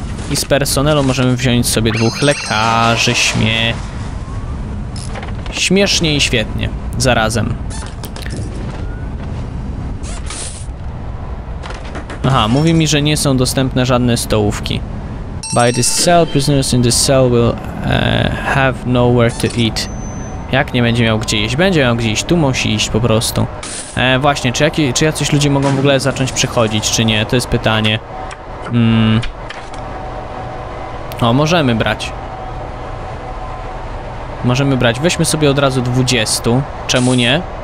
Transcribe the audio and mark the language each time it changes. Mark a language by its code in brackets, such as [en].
[pl] I z personelu możemy wziąć sobie dwóch lekarzy. Śmiesznie i świetnie. Zarazem. Aha, mówi mi, że nie są dostępne żadne stołówki. [en] By this cell, prisoners in this cell will have nowhere to eat. [pl] Jak nie będzie miał gdzie iść? Będzie miał gdzie iść, tu musi iść po prostu. Właśnie, czy jacyś ludzie mogą w ogóle zacząć przychodzić, czy nie? To jest pytanie. O, możemy brać. Możemy brać. Weźmy sobie od razu 20. Czemu nie?